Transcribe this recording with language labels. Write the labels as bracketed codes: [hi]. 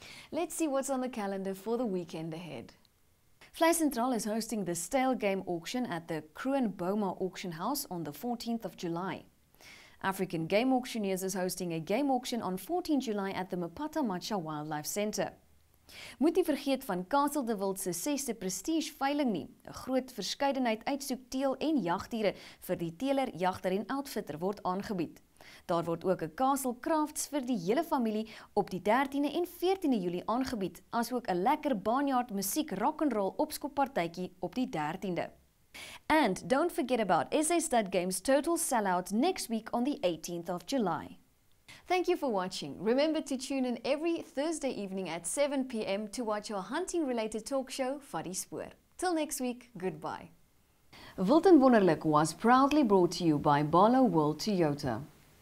[en] Let's see what's on the calendar for the weekend ahead. Vlei Sentraal is hosting the Stale Game Auction at the Kroon Boma Auction House on the 14th of July. African Game Auctioneers is hosting a game auction on 14 July at the Mapata Macha Wildlife Center. [af] Moet nie vergeet van Castle de Wild se 6de prestige veiling nie. 'N groot verskeidenheid uitsoek teel en jagdiere vir die teler, jagter en outfitter word aangebied. Daar word ook 'n Castle Crafts vir die hele familie op die 13de en 14de Julie aangebied, as ook 'n lekker barnyard musiek rock and roll opskoppartytjie op die 13de. [en] And don't forget about SA Stud Games' total sellout next week on the 18th of July. Thank you for watching. Remember to tune in every Thursday evening at 7 PM to watch our hunting-related talk show, Vaddie Spoor. Till next week, goodbye. Wild en Wonderlik was proudly brought to you by Barlow World Toyota.